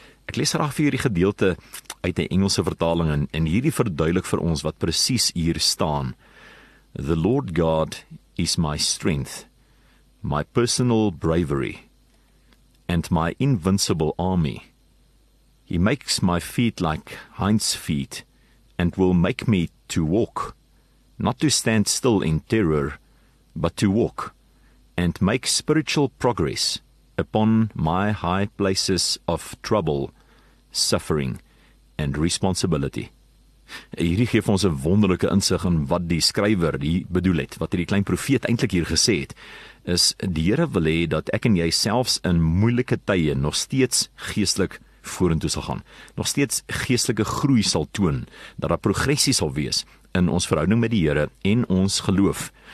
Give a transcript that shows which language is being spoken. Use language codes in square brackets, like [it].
[af] Ek lees graag vir hierdie gedeelte uit 'n Engelse vertaling en hierdie verduidelik vir ons wat presies hier staan. [en] The Lord God is my strength, my personal bravery and my invincible army. He makes my feet like hinds' feet and will make me to walk, not to stand still in terror, but to walk and make spiritual progress upon my high places of trouble, suffering and responsibility. [af] Hierdie geef ons 'n wonderlike insig in wat die skrywer hier bedoel het, wat hierdie klein profeet eintlik hier gesê het, is die Here wil hê dat ek en jy selfs in moeilike tye nog steeds geestelik vorentoe sal gaan, nog steeds geestelike groei sal toon, dat daar progressie sal wees in ons verhouding met die Here en ons geloof.